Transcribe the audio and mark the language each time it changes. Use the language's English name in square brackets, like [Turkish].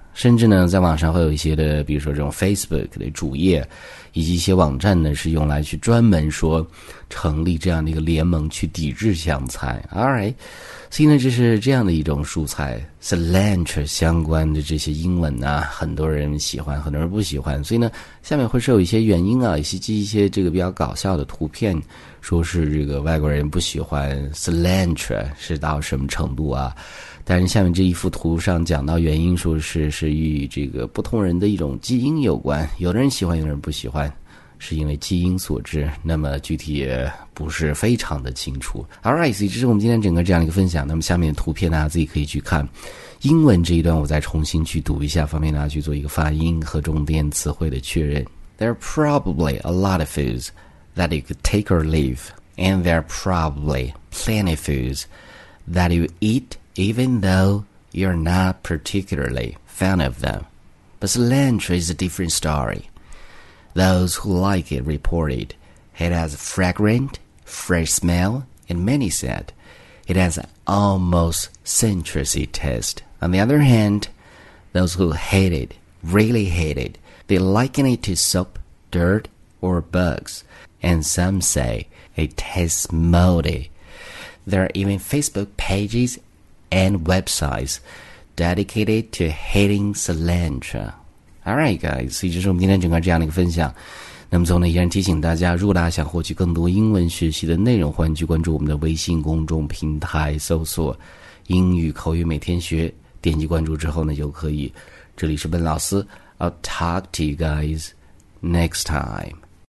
[Chinese] 甚至呢，在网上会有一些的，比如说这种 Facebook 的主页，以及一些网站呢，是用来去专门说成立这样的一个联盟去抵制香菜。 All right， 所以呢，这是这样的一种蔬菜 cilantro 相关的这些英文啊，很多人喜欢，很多人不喜欢。所以呢，下面会是有一些原因啊，以及一些这个比较搞笑的图片，说是这个外国人不喜欢 cilantro 是到什么程度啊？但是下面这一幅图上讲到原因，说是与这个不同人的一种基因有关，有的人喜欢，有的人不喜欢，是因为基因所致。那么具体也不是非常的清楚。Alright， 这是我们今天整个这样一个分享。那么下面的图片大家自己可以去看，英文这一段我再重新去读一下，方便大家去做一个发音和重点词汇的确认。 [English] There are probably a lot of foods that you could take or leave, and there are probably plenty of foods that you eat. Even though you're not particularly fond of them. But cilantro is a different story. Those who like it reported it has a fragrant, fresh smell, and many said it has an almost citrusy taste. On the other hand, those who hate it, really hate it, they liken it to soap, dirt, or bugs, and some say it tastes moldy. There are even Facebook pages and websites dedicated to hating cilantro. All right, guys. [Chinese] 所以这是我们今天整个这样的一个分享。那么最后呢，依然提醒大家，如果大家想获取更多英文学习的内容，欢迎去关注我们的微信公众平台，搜索“英语口语每天学”，点击关注之后呢，就可以。这里是本老师。 [English] I'll talk to you guys next time.